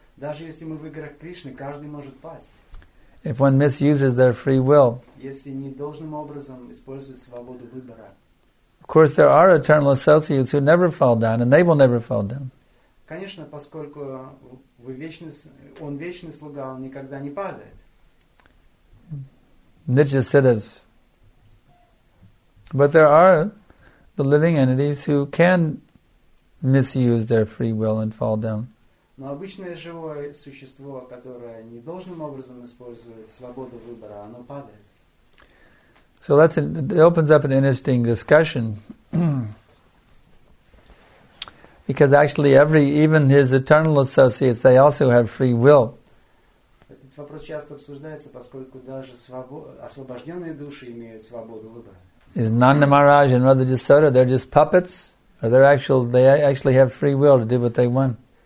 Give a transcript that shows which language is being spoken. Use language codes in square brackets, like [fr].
[ru] Даже если мы в играх Кришны, каждый может пасть. [en] If one misuses their free will. [ru] Если недолжным образом использует свободу выбора. [en] Of course, there are eternal associates who never fall down, and they will never fall down. [ru] Конечно, поскольку вы вечный, он вечный слуга, он никогда не падает. [sa] Nityasiddhas. [en] But there are the living entities who can misuse their free will and fall down. [ru] Но обычное живое существо, которое не должным образом использует свободу выбора, оно падает. [en] So that's it opens up an interesting discussion. Because actually even his eternal associates, they also have free will. [ru] Этот вопрос часто обсуждается, поскольку даже освобожденные души имеют свободу выбора. [en] Is Nanda Maharaj and Radha Jasoda, they're just puppets? Or they actually have free will to do what they want?